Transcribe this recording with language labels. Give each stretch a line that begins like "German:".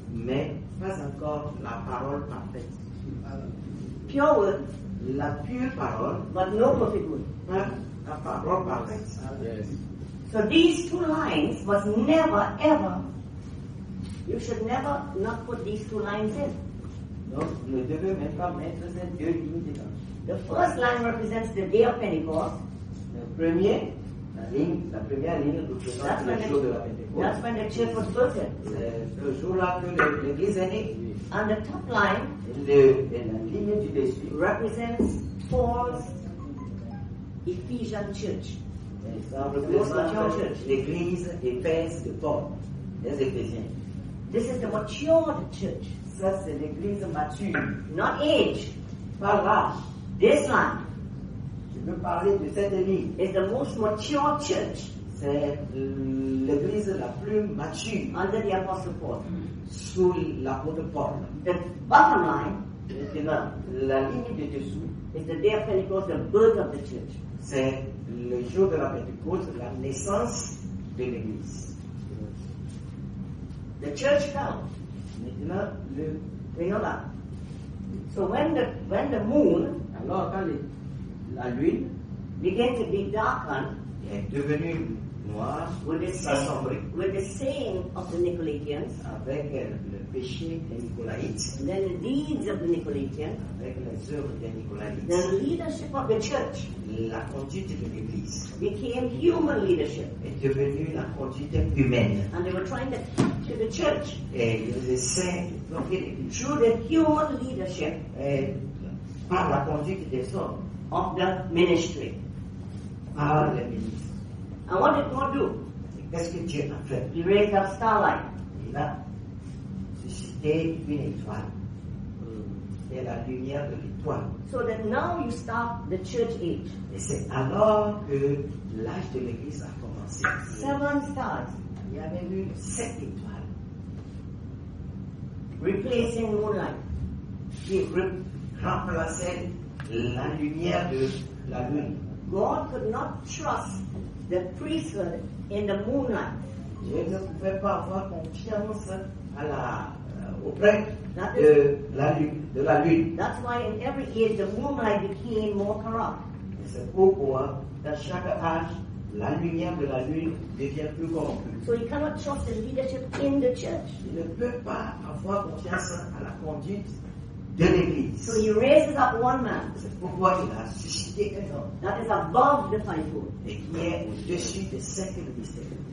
French: Mais pas encore la parole parfaite.
English: Pure word.
French: La pure parole.
English: But no perfect word.
French: La parole parfaite.
English: Ah, yes. So these two lines was never ever. You should never not put these two lines in.
French: Donc, ne devez même pas mettre ces deux lignes dedans.
English: The first line represents the day of Pentecost.
French: Le premier, la première ligne représente le jour de la Pentecôte.
English: That's when the church was built.
French: C'est le jour-là que l'église est née.
English: And the top line,
French: la ligne du dessus,
English: represents Paul's Ephesian church.
French: Ça représente l'église Éphèse de Paul, les Éphésiens.
English: This is the mature church.
French: Ça, c'est l'église mature.
English: Not age.
French: Pas l'âge.
English: This one,
French: je veux parler de cette ligne,
English: is the most mature church.
French: C'est l'église la plus mature.
English: Under the Apostle Paul.
French: Sous l'apôtre Paul.
English: The bottom line,
French: maintenant, la ligne de dessous,
English: is the day of Pentecost, the birth of the church.
French: C'est le jour de la Pentecôte, la naissance de l'église.
English: The church fell.
French: Maintenant,
English: we know that. So when the moon,
French: alors quand la lune
English: began to be darkened,
French: est devenue noire, s'assombrit,
English: with the sin of the Nicolaitans,
French: avec le péché des Nicolaïtes,
English: then the deeds of the Nicolaitans,
French: avec les œuvres des Nicolaïtes,
English: the leadership of the church,
French: la conduite de l'église,
English: became human leadership,
French: est devenue la conduite humaine,
English: and they were trying to capture the church,
French: et ils essaient de capturer l'église,
English: through the human leadership,
French: et par la conduite des hommes,
English: of the ministry,
French: par le ministre.
English: And what did God do?
French: Qu'est-ce que Dieu a fait?
English: He raised up starlight.
French: Il a suscité une étoile. C'est la lumière de l'étoile.
English: So that now you start the church age.
French: Et c'est alors que l'âge de l'église a commencé.
English: Seven stars.
French: Il y avait eu sept étoiles.
English: Replacing moonlight.
French: Qui remplaçait la lumière de la lune.
English: God could not trust the priesthood in the moonlight.
French: Dieu ne pouvait pas avoir confiance à la auprès de la lune.
English: That's why in every age the moonlight became more corrupt.
French: C'est pourquoi dans chaque âge la lumière de la lune devient plus corrompue.
English: So he cannot trust the leadership in the church.
French: Il ne peut pas avoir confiance à la conduite de l'église.
English: So he raises up one man.
French: C'est pourquoi il a suscité un homme.
English: That is above the fivefold.
French: Et qui est au-dessus de cinq ministères.